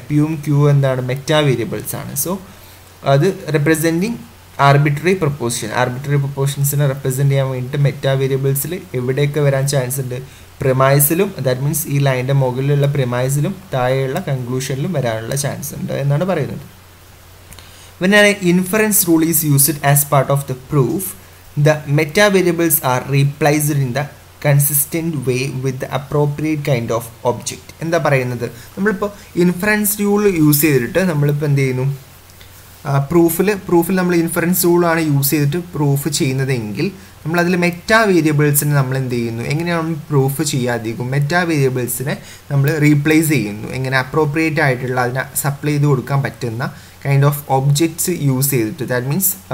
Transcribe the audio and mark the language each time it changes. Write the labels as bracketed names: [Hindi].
[Malayalam] പിയും ക്യൂ എന്താണ്, meta variables ആണ്. സോ അത് representing arbitrary preposition, arbitrary പ്രപ്പോസിഷൻസിനെ represent ചെയ്യാൻ വേണ്ടിയിട്ട് മെറ്റാ വേരിയബിൾസിൽ എവിടെയൊക്കെ വരാൻ ചാൻസ് ഉണ്ട്, പ്രിമൈസിലും, ദാറ്റ് മീൻസ് ഈ ലൈൻ്റെ മുകളിലുള്ള പ്രിമൈസിലും താഴെയുള്ള കൺക്ലൂഷനിലും വരാനുള്ള ചാൻസ് ഉണ്ട് എന്നാണ് പറയുന്നത്. [English] പിന്നെ inference rule is used as part of the proof. The meta variables are replaced in the consistent way with the appropriate kind of object. [Malayalam] എന്ന് പറയുന്നത് നമ്മൾ ഇപ്പോ ഇൻഫറൻസ് റൂൾ യൂസ് ചെയ്തിട്ട് നമ്മൾ ഇപ്പോ എന്ത് ചെയ്യുന്നു പ്രൂഫിൽ നമ്മൾ ഇൻഫറൻസ് റൂൾ ആണ് യൂസ് ചെയ്തിട്ട് പ്രൂഫ് ചെയ്യുന്നതെങ്കിൽ നമ്മൾ അതിൽ മെറ്റാ വേരിയബിൾസിനെ നമ്മൾ എന്ത് ചെയ്യുന്നു എങ്ങനെയാണ് പ്രൂഫ് ചെയ്യാതിരിക്കും മെറ്റാ വേരിയബിൾസിനെ നമ്മൾ റീപ്ലേസ് ചെയ്യുന്നു എങ്ങനെ അപ്രോപ്രിയേറ്റ് ആയിട്ടുള്ള അതിനെ സപ്ലൈ ചെയ്ത് കൊടുക്കാൻ പറ്റുന്ന കൈൻഡ് ഓഫ് ഒബ്ജെക്ട്സ് യൂസ് ചെയ്തിട്ട് ദാറ്റ് മീൻസ്